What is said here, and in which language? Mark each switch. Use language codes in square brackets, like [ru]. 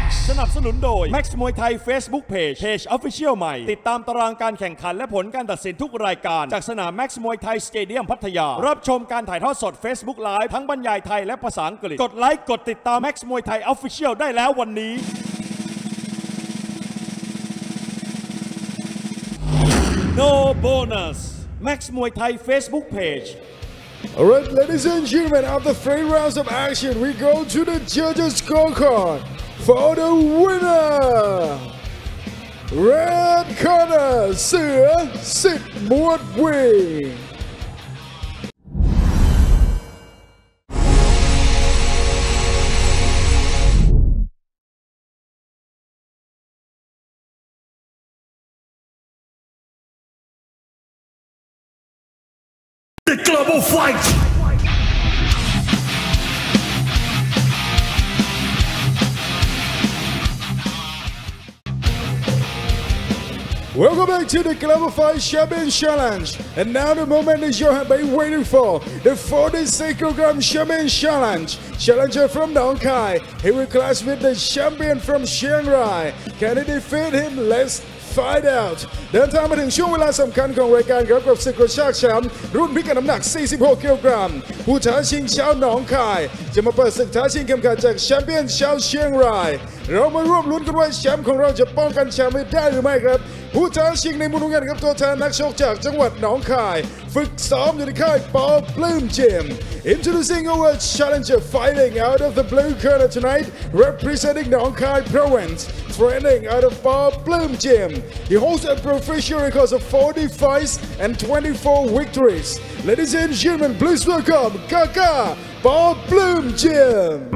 [th] สนับสนุนโดย Max มวยไทย Facebook Page Official ใหม่ติดตามตารางการแข่งขันและผลการตัดสินทุกรายการจากสนาม Max มวยไทยสเตเดียมพัทยารับชมการถ่ายทอดสด Facebook Live ทั้งบรรยายไทยและภาษาอังกฤษกดไลค์กดติดตาม Max มวยไทย Official ได้แล้ววันนี้ No bonus. [en] Max Muay Thai Facebook page. All right, ladies and gentlemen, after three rounds of action, we go to the judges' scorecard for the winner. Red corner, Sir Sit Muay Thai. Global Fight! Welcome back to the Global Fight Champion Challenge. And now the moment that you have been waiting for. The 46 kilogram Champion Challenge. Challenger from Nong Khai. He will clash with the champion from Chiang Rai. Can he defeat him? Let's [th] Fight Out เดินทางมาถึงช่วงเวลาสำคัญของรายการครับกับศึกกระชากแชมป์รุ่นพิกัดน้ำหนัก46กิโลกรัมผู้ท้าชิงชาวหนองคายจะมาเปิดศึกท้าชิงเข็มขัดจากแชมเปี้ยนชาวเชียงราย [en] เรามาร่วมลุ้นกันว่าแชมป์ของเราจะป้องกันแชมป์ได้หรือไม่ครับผู้ท้าชิงในมุมนู้นครับตัวแทนนักชกจากจังหวัดหนองคายฝึกซ้อมอยู่ในค่ายปอปลื้มจิม Introducing our challenger fighting out of the blue corner tonight representing หนองคาย province training out of Bob Bloom Gym He holds a professional record of 40 fights and 24 victories Ladies and gentlemen, please welcome Kaka Bob Bloom Gym